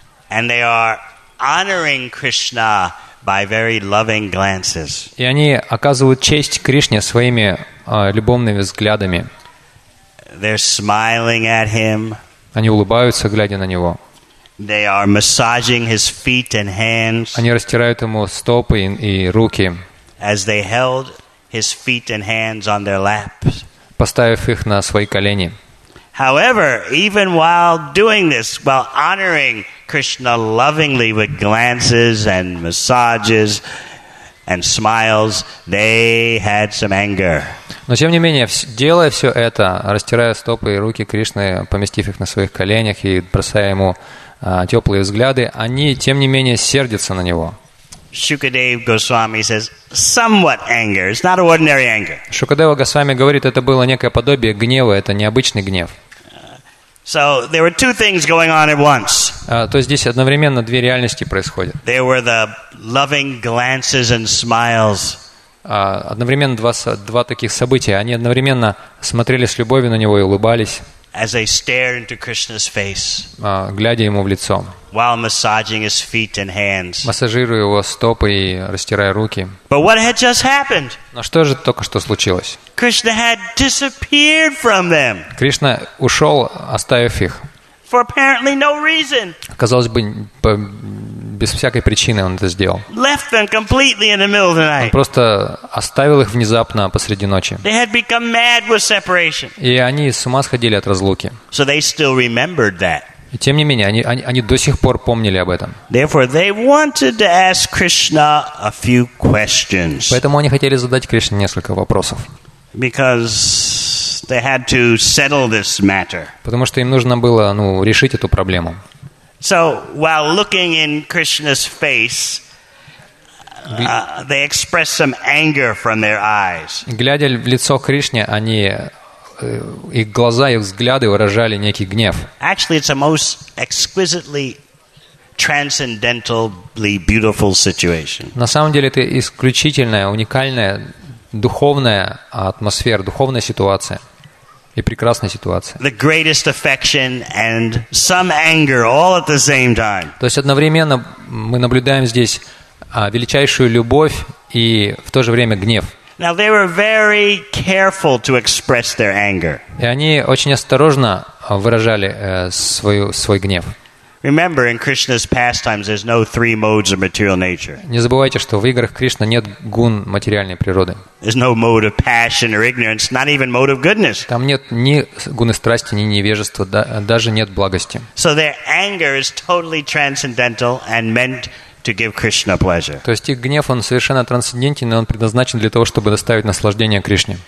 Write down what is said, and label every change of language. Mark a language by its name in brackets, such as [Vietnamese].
[English] And they are honoring Krishna by very loving glances. [Russian] И они оказывают честь Кришне своими любовными взглядами. [English] They're smiling at him. [Russian] Они улыбаются, глядя на него. [English] They are massaging his feet and hands. [Russian] Они растирают ему стопы и руки. [English] As they held his feet and hands on their laps. [Russian] Поставив их на свои колени. [English] However, even while doing this, while honoring Krishna lovingly with glances and massages and smiles, they had some anger. [Russian] Но тем не менее, делая все это, растирая стопы и руки Кришны, поместив их на своих коленях и бросая ему теплые взгляды, они тем не менее сердятся на него. [English] Shukadev Goswami says somewhat anger. It's not ordinary anger. [Russian] Шукадева Госвами говорит, это было некое подобие гнева, это необычный гнев. [English] So there were two things going on at once. [Russian] То есть здесь одновременно две реальности происходят. [English] There were the loving glances and smiles. [Russian] Одновременно два таких события. Они одновременно смотрели с любовью на него и улыбались. [English] As they stared into Krishna's face, [Russian] глядя ему в лицо, [English] while massaging his feet and hands, [Russian] массажируя его стопы и растирая руки. [English] But what had just happened? [Russian] Но что же только что случилось? [English] Krishna had disappeared from them. [Russian] Кришна ушел, оставив их. [English] For apparently no reason. [Russian] Казалось бы, без всякой причины он это сделал. [English] Left them completely in the middle of the night. [Russian] Он просто оставил их внезапно посреди ночи. [English] They had become mad with separation. [Russian] И они с ума сходили от разлуки. [English] So they still remembered that. [Russian] И тем не менее, они до сих пор помнили об этом. [English] Therefore, they wanted to ask Krishna a few questions. [Russian] Поэтому они хотели задать Кришне несколько вопросов. [English] Because they had to settle this matter. [Russian] Потому что им нужно было, ну, решить эту проблему. [English] So while looking in Krishna's face, they expressed some anger from their eyes. [Russian] Глядя в лицо Кришне, они их глаза, их взгляды выражали некий гнев. [English] Actually, it's a most exquisitely transcendentally beautiful situation. [Russian] На самом деле это исключительная, уникальная духовная атмосфера, духовная ситуация. И прекрасная ситуация. [English] The greatest affection and some anger all at the same time. [Russian] То есть одновременно мы наблюдаем здесь величайшую любовь и в то же время гнев. [English] Now they were very careful to express their anger. [Russian] И они очень осторожно выражали свой гнев. [English] Remember, in Krishna's pastimes, there's no three modes of material nature. [Russian] Не забывайте, что в играх Кришны нет гун материальной природы. [English] There's no mode of passion or ignorance, not even mode of goodness. [Russian] Там нет ни гуны страсти, ни невежества, даже нет благости. [English] So their anger is totally transcendental and meant to give Krishna pleasure. [Russian] То есть их гнев он совершенно трансцендентен, и он предназначен для того, чтобы доставить наслаждение Кришне.